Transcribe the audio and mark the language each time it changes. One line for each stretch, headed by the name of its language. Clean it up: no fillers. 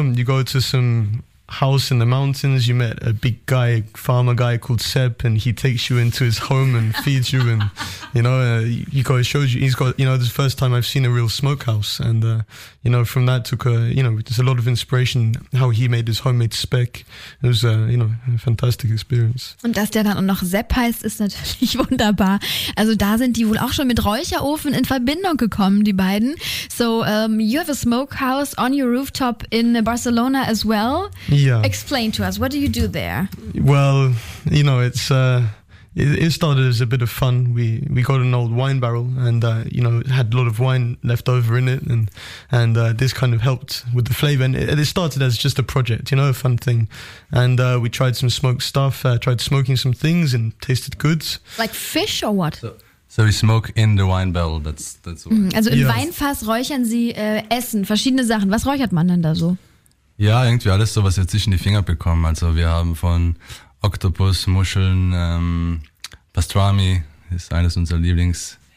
English: You go to some house in the mountains, you met a big guy, farmer guy called Sepp, and he takes you into his home and feeds you, and you know, this is the first time I've seen a real smokehouse, and you know, from that took a, you know, there's a lot of inspiration how he made his homemade speck. It was you know, a fantastic experience.
German: Und dass der dann noch Sepp heißt, ist natürlich wunderbar. Also da sind die wohl auch schon mit Räucherofen in Verbindung gekommen, die beiden.
English: So you have a smokehouse on your rooftop in Barcelona as well. Yeah. Explain to us, what do you do there? Well, you know, it started as a bit of fun. We got an old wine barrel and, you know, it had a lot of wine left over in it. And this kind of helped with the flavor. And it started as just a project, you know, a fun thing. And we tried some smoked stuff, tried smoking some things and tasted good. Like fish or what? So we smoke in the wine barrel, that's what.
German: Also in Weinfass räuchern sie Essen, verschiedene Sachen. Was räuchert man denn da so? Ja, irgendwie alles so, was wir zwischen die Finger bekommen. Also wir haben von Oktopus, Muscheln, Pastrami ist eines unserer Lieblings.